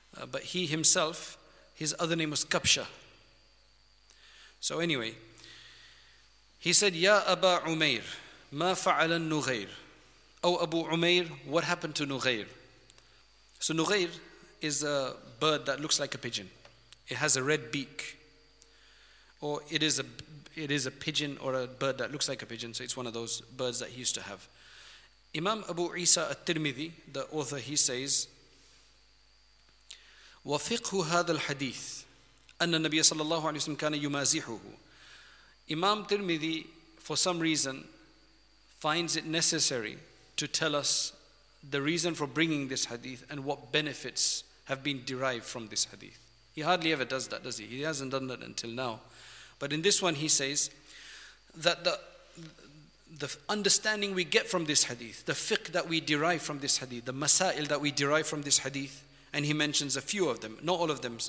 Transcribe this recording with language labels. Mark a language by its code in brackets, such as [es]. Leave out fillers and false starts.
[en] But he himself, his other name was Kabsha. So anyway, he said, Ya Aba Umair, ma fa'ala Nughair? O Abu Umair, what happened to Nughair? So Nughair is a bird that looks like a pigeon. It has a red beak. Or it is a pigeon or a bird that looks like a pigeon. So it's one of those birds that he used to have. Imam Abu Isa al-Tirmidhi, the author, he says, [ar] وَفِقْهُ هَذَا الْحَدِيثِ أَنَّ النَّبِيَ صَلَى اللَّهُ عَلَيْهِ وَسَلَّمْ كَانَ يُمَازِحُهُ. [en] Imam Tirmidhi, for some reason, finds it necessary to tell us the reason for bringing this hadith and what benefits have been derived from this hadith. He hardly ever does that, does he? He hasn't done that until now. But in this one, he says that the understanding we get from this hadith, the fiqh that we derive from this hadith, the masail that we derive from this hadith, and he mentions a few of them, not all of them.